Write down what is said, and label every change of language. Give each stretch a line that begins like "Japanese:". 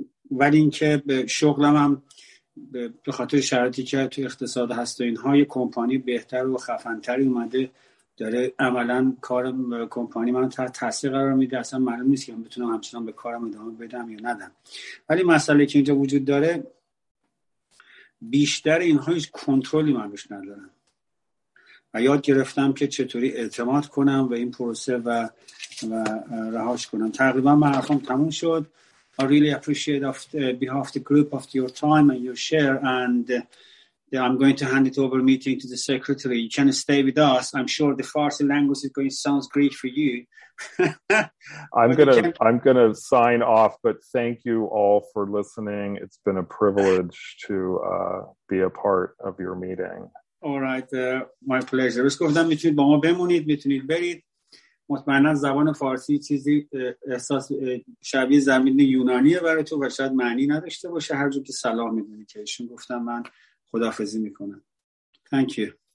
Persian: ولی اینکه شغلم هم به خاطر شرایطی که تو اقتصاد هست و اینها، یه کمپانی بهتر و خفن‌تری اومده داره عملا کار کمپانی من تحت تاثیر قرار میده، اصلا معلوم نیست که من بتونم همچنان به کارم ادامه بدم یا ندم. ولی مسئله که اینجا وجود داره، بیشتر اینها هیچ کنترلی من روش ندارم و یاد گرفتم که چطوری اعتماد کنم و این پروسه و رهاش کنم. تقریبا من حرفم تموم شد.
English: I really appreciate of behalf the group of your time and your share, and I'm going to hand it over meeting to the secretary. You can stay with us. I'm sure the Farsi language is going to sound great for you. I'm gonna sign off, but thank you all for listening. It's been a privilege to be a part of your meeting. All right, my pleasure. Let's go with that.
Persian: میتونید با ما بمونید، میتونید برید. مطمئنا زبان فارسی چیزی احساس شبیه زمین یونانیه برای تو و شاید معنی نداشته باشه. هر جور که سلام میدونی که ایشون گفتم من خداحافظی میکنم.
English: Thank you.